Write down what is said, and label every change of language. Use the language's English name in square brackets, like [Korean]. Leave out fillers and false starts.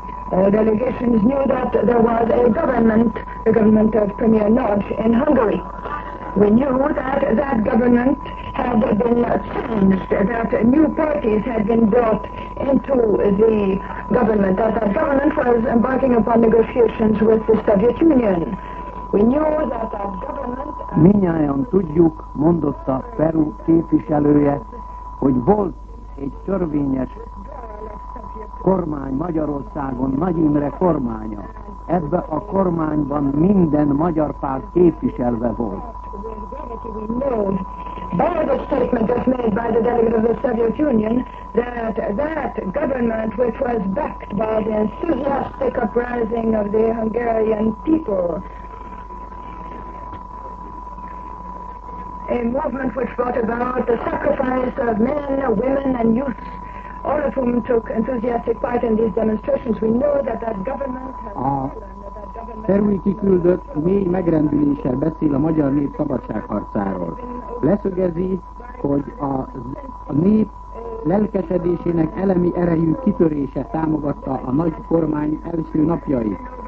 [English] All delegations knew that there was the government of Premier Nagy in Hungary. We knew that that government had been changed, that new parties had been brought into the government, that that government was embarking upon negotiations with the Soviet Union. We knew that that government... [Hungarian] Mindnyájan tudjuk, mondotta Peru képviselője, hogy volt egy törvényes kormány Magyarországon, Nagy Imre kormánya. Ebbe a kormányban minden magyar párt képviselve volt. [English] By the statement that's made by the delegate of the Soviet Union, that that government which was backed by the enthusiastic uprising of the Hungarian people, a movement which brought about the sacrifice of men, women, and youths, all of whom took enthusiastic part in these demonstrations. We know that that government has fallen. [Hungarian] Perui kiküldött mély megrendüléssel beszél a magyar nép szabadságharcáról. Leszögezi, hogy a nép lelkesedésének elemi erejű kitörése támogatta a nagy kormány első napjait.